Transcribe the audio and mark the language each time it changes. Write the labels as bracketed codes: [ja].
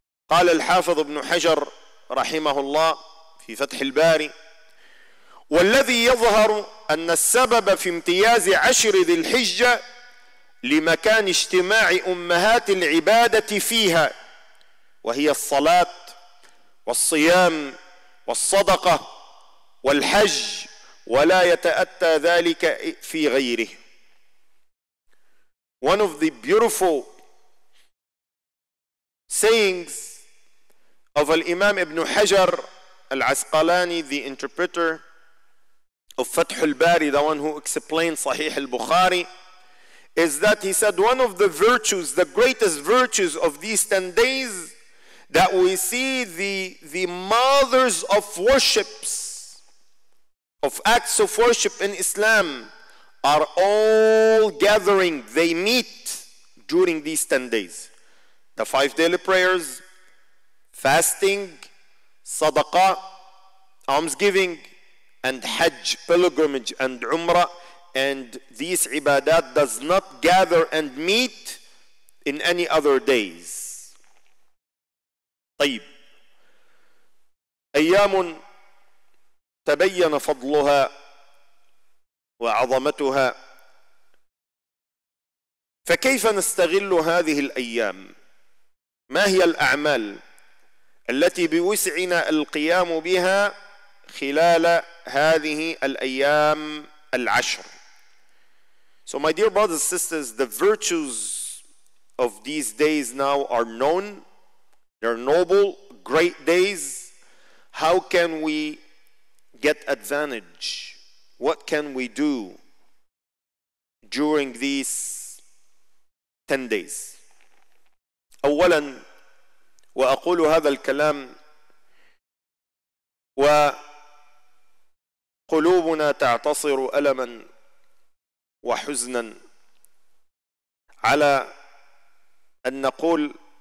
[ar] قال الحافظ ابن حجر رحمه الله في فتح الباري: والذي يظهر أن السبب في امتياز عشر ذي الحجة لمكان اجتماع أمهات العبادة فيها، وهي الصلاة والصيام والصدقة والحج، ولا يتأتى ذلك في غيره. [en] One of the beautiful sayings of Al-Imam Ibn Hajar Al-Asqalani, the interpreter of Fath al-Bari, the one who explained Sahih al-Bukhari, is that he said one of the virtues, the greatest virtues of these 10 days, that we see the mothers of worships, of acts of worship in Islam, are all gathering, they meet during these 10 days. The 5 daily prayers, fasting, sadaqah, almsgiving, and hajj, pilgrimage, and umrah, and these ibadat does not gather and meet in any other days. [ar] طيب أيام تبين فضلها وعظمتها فكيف نستغل هذه الأيام؟ ما هي الأعمال التي بوسعنا القيام بها خلال هذه الأيام العشر؟ [en] So my dear brothers and sisters, the virtues of these days now are known. They're noble, great days. How can we get advantage? What can we do during these 10 days? [ar] أولا وأقول هذا الكلام وقلوبنا تعتصر ألما وحزنا على أن نقول